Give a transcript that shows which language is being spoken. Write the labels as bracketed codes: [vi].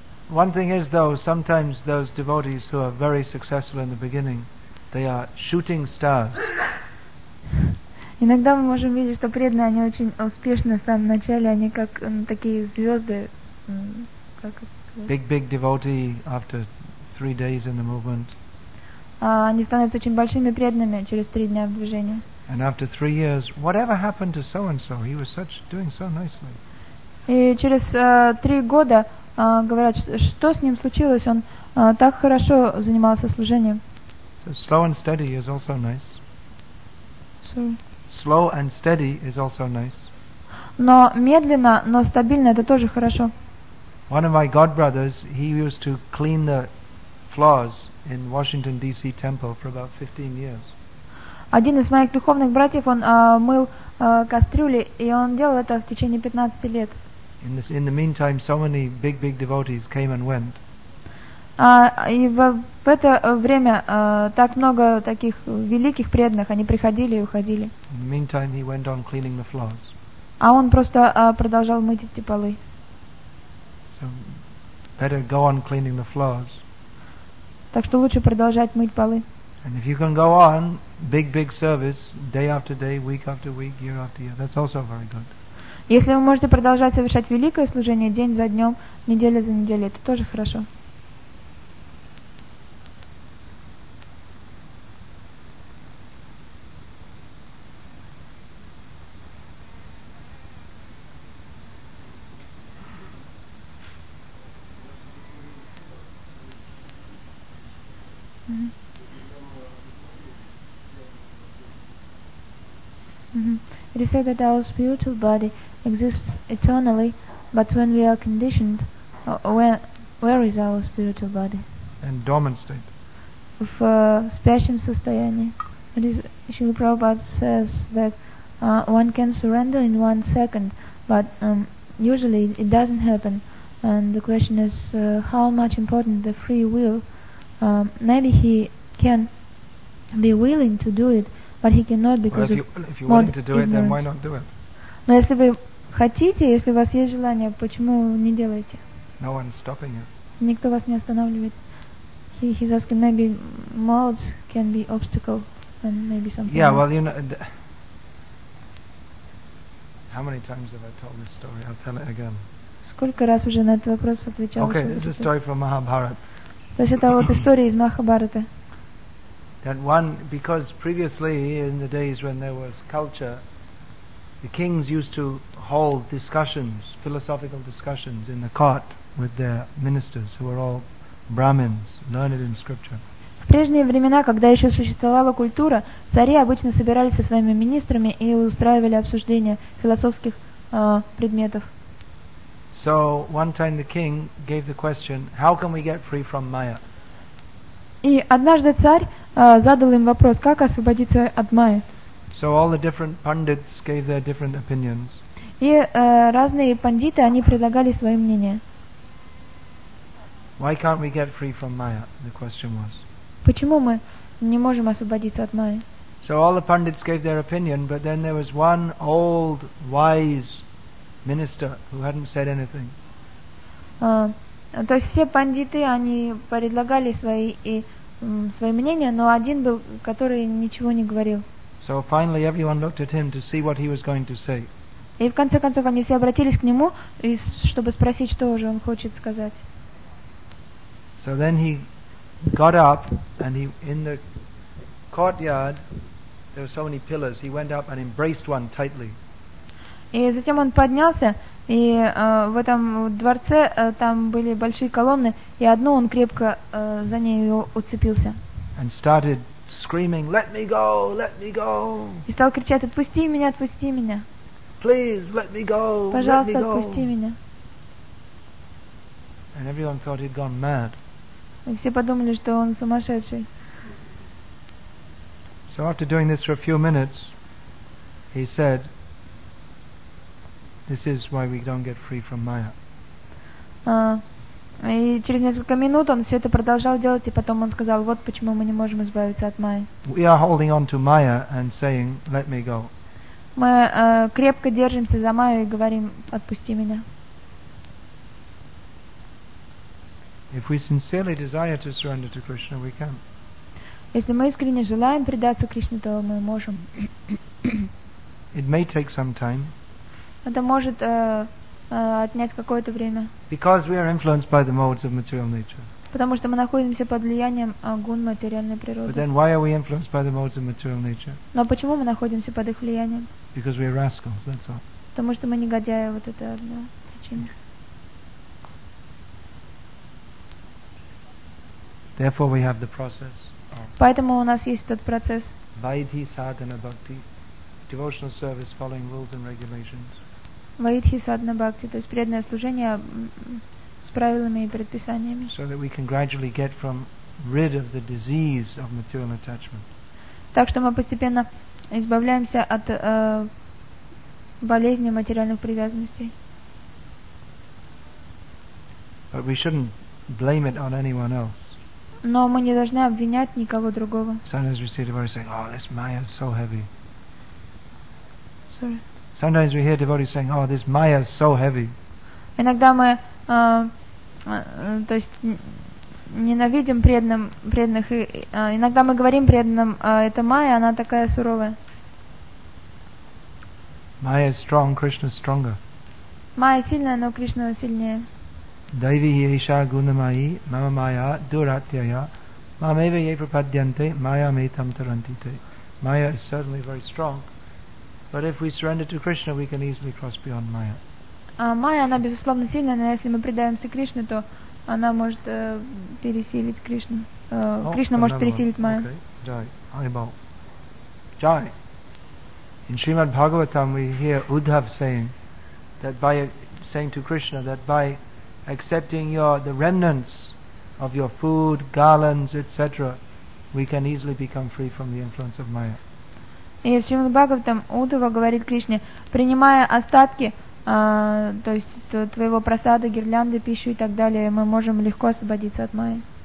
[en] One thing is though, sometimes those devotees who are very successful in the beginning, they are shooting stars. [ru] Иногда мы можем видеть, что преданные они очень успешны в самом начале, они как такие звезды. [en] Big devotee after 3 days in the movement. [ru] Они становятся очень большими преданными через 3 дня в движении. [en] And after 3 years, whatever happened to so and so? He was such doing so nicely. [ru] И через 3 года говорят, что с ним случилось? Он так хорошо занимался служением. [en] So slow and steady is also nice. Sorry. Slow and steady is also nice. [ru] Но медленно, но стабильно, это тоже хорошо. [en] One of my god brothers, he used to clean the floors in Washington D.C. temple for about 15 years. [ru] Один из моих духовных братьев, он мыл кастрюли, и он делал это в течение 15 лет. [en] In the meantime, so many big devotees came and went. [ru] И в это время так много таких великих преданных, они приходили и уходили. [en] In the meantime, he went on cleaning the floors. [ru] А он просто продолжал мыть эти полы. [en] So better go on cleaning the floors. [ru] Так что лучше продолжать мыть полы. [en] And if you can go on big service day after day, week after week, year after year, that's also very good. [ru] Если вы можете продолжать совершать великое служение день за днем, неделя за неделей, это тоже хорошо. [en] It is said that our spiritual body exists eternally, but when we are conditioned, where is our spiritual body? In dormant state. [ru] В спящем состоянии. [en] It is, Srila Prabhupada says that one can surrender in 1 second, but usually it doesn't happen. And the question is how much important the free will. Maybe he can be willing to do it, but he cannot because if you're willing to do it, then why not do it? [ru] Но если вы хотите, если у вас есть желание, почему не делаете? [en] No one's stopping you. [ru] Никто вас не останавливает. [en] He's asking maybe modes can be obstacle and maybe something. Yeah, else. Well, you know, how many times have I told this story? I'll tell it again. [ru] Сколько раз уже на этот вопрос отвечал? [en] Okay, this is a story from Mahabharata. [ru] То есть это вот история из Махабхараты. [en] That one, because previously in the days when there was culture, the kings used to hold discussions, philosophical discussions, in the court with their ministers, who were all Brahmins, learned in scripture. [ru] В прежние времена, когда еще существовала культура, цари обычно собирались со своими министрами и устраивали обсуждения философских предметов. [en] So one time the king gave the question, how can we get free from Maya? [ru] И однажды царь задал им вопрос, как освободиться от Майи. [en] So all the different pundits gave their different opinions. [ru] И разные пандиты, они предлагали свои мнения. [en] Why can't we get free from Maya? The question was. [ru] Почему мы не можем освободиться от Майи? [en] So all the pundits gave their opinion, but then there was one old, wise minister who hadn't said anything. [ru] То есть все пандиты, они предлагали свои и свои мнения, но один был, который ничего не говорил. [en] So finally everyone looked at him to see what he was going to say. [ru] И в конце концов они все обратились к нему, чтобы спросить, что же он хочет сказать. [en] So then he got up and he in the courtyard there were so many pillars. He went up and embraced one tightly. [ru] И затем он поднялся. И в этом дворце там были большие колонны, и одну он крепко за нею уцепился. [en] And started screaming, "Let me go! Let me go!" [ru] И стал кричать: "Отпусти меня! Отпусти меня!" [en] Please let me go! [ru] Пожалуйста, [en] let me go. [ru] Отпусти меня! [en] And everyone thought he'd gone mad. [ru] И все подумали, что он сумасшедший. [en] So after doing this for a few minutes, he said. This is why we don't get free from Maya. [ru] И через несколько минут он все это продолжал делать, и потом он сказал: вот почему мы не можем избавиться от Майи. [en] We are holding on to Maya and saying, "Let me go." [ru] Мы крепко держимся за Майю и говорим: отпусти меня. [en] If we sincerely desire to surrender to Krishna, we can. [ru] Если мы искренне желаем предаться Кришне, то мы можем. [en] It may take some time. [ru] Это может отнять какое-то время. [en] Because we are influenced by the modes of material nature. [ru] Потому что мы находимся под влиянием гун материальной природы. [en] But then why are we influenced by the modes of material nature? [ru] Но почему мы находимся под их влиянием? [en] Because we are rascals, that's all. [ru] Потому что мы негодяи, вот это одна причина. [en] Therefore we have the process. [ru] Поэтому у нас есть этот процесс. [en] Vaidhi sadhana bhakti, devotional service following rules and regulations. [ru] Vaidhi Sadhana Bhakti, то есть преданное служение с правилами и предписаниями. [en] So that we can gradually get from rid of the disease of material attachment. [ru] Так что мы постепенно избавляемся от болезни материальных привязанностей. [en] But we shouldn't blame it on anyone else. [ru] Но мы не должны обвинять никого другого. [en] Sometimes we see devotees saying, "Oh, this Maya is so heavy." Sorry. Sometimes we hear devotees saying, "Oh, this Maya is so heavy." [ru] Иногда мы, то есть, ненавидим преданных, и иногда мы говорим преданным, "Это Майя, она такая суровая." [en] Maya is strong, Krishna is stronger. [ru] Майя сильная, но Кришна сильнее. [sa] Дайви еша гунамайи, мама майя дуратьяя, мама ева епрападьянте, майя метам тарантите. [en] Майя is certainly very strong, but if we surrender to Krishna, we can easily cross beyond Maya. [ru] Майя, она безусловно сильная, но если мы предаемся Кришне, то она может пересилить Кришну. Кришна может пересилить Майя. Джай, Айбал. Джай. [en] In Srimad Bhagavatam, we hear Uddhav saying that by saying to Krishna that by accepting the remnants of your food, garlands, etc., we can easily become free from the influence of Maya. [ru] И в Шримад Бхагаватам Удхава говорит Кришне, принимая остатки, то есть твоего просада, гирлянды, пищу и так далее, мы можем легко освободиться от Майи.